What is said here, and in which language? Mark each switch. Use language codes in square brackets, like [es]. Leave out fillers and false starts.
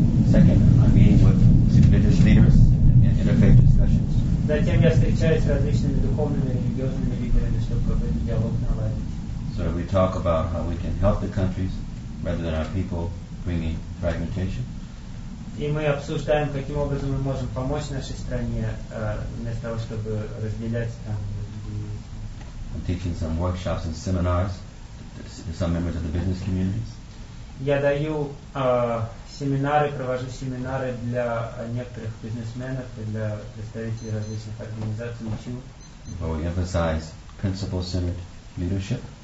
[en] Second, I'm meeting with religious leaders in interfaith discussions. [ru] Затем я встречаюсь с различными духовными и религиозными лидерами, чтобы проводить диалог наладить. [en] So we talk about how we can help the countries rather than our people bringing fragmentation. [ru] И мы обсуждаем, каким образом мы можем помочь нашей стране вместо того, чтобы разделять там. [en] I'm teaching some workshops and seminars to some members of the business communities. [ru] Я даю семинары, провожу семинары для некоторых бизнесменов и для представителей различных организаций, учу. [en] Where we emphasize principle-centered leadership.